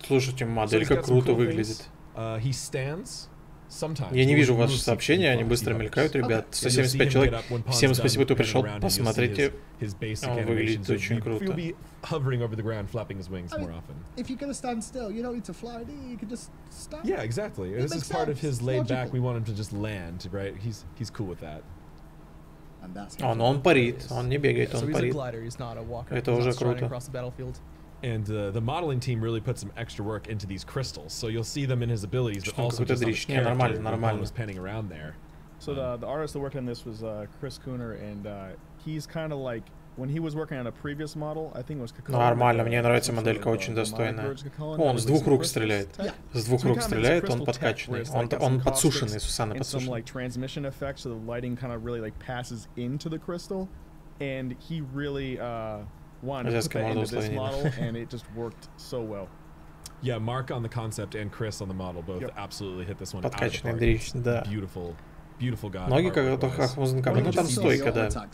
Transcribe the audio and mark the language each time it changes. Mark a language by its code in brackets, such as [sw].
[ru] Слушайте, моделька круто выглядит. [en] He stands. [ru] Я не вижу ваши сообщения, они быстро мелькают, ребят. 175 человек. Всем спасибо, кто пришел. Посмотрите. Он выглядит очень круто. [en] Hovering over the ground, flapping his wings more often. If you're gonna stand still, you don't need to fly. You can just stop. Yeah, exactly. This is part of his laid back. We want him to just land, right? He's cool with that. [ru] Он парит. Он не бегает, он парит. Это уже круто. [en] And the modeling team really put some extra work into these crystals, so you'll see them in his abilities, but also just on his character when he was panning around there. So the artist that worked on this was Chris Cooner, and he's kind of like, when he was working on a previous model, I think it was Kakulin. [ru] Нормально, мне нравится моделька, очень достойная. О, он с двух рук стреляет. С двух рук стреляет, он подкачанный. Он подсушенный, Сусанна, подсушенный. [en] Some like transmission effects, so the lighting kind of really like passes into the crystal, and he really... and it just worked so well. Yeah, Mark on the concept and Chris on the model both absolutely hit this one out of the park. Beautiful, beautiful guy. [ru] Ноги как будто хвостенка, но там стойка, да.